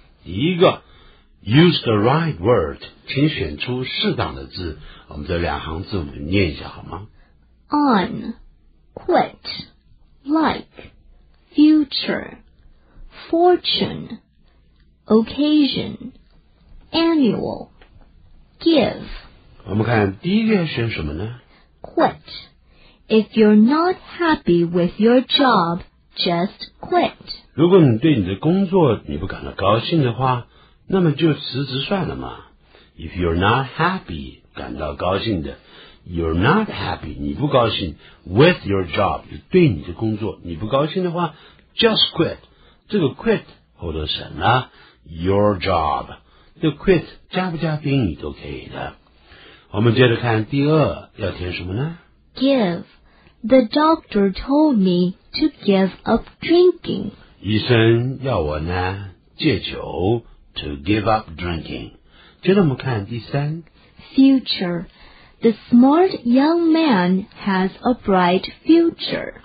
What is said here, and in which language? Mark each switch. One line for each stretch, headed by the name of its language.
Chinese: 第一个
English: Use the right word，
Chinese: 请选出适当的字，我们这两行字我们念一下好吗？
English: On Quit Like Future Fortune Occasion Annual Give。
Chinese: 我们看第一个要选什么呢？
English: Quit。 If you're not happy with your job, just quit.
Chinese: 如果你对你的工作你不感到高兴的话，那么就辞职算了嘛。
English: If you're not happy,
Chinese: 感到高兴的
English: you're not happy,
Chinese: 你不高兴
English: with your job,
Chinese: 对你的工作你不高兴的话
English: just quit.
Chinese: 这个 quit 后头省了
English: your job,
Chinese: 这 quit 加不加宾语都可以的。我们接着看第二要填什么呢？
English: Give. The doctor told me to give up drinking.
Chinese: 医生要我呢戒酒
English: to give up drinking.
Chinese: 接着我们看第三
English: Future. The smart young man has a bright future.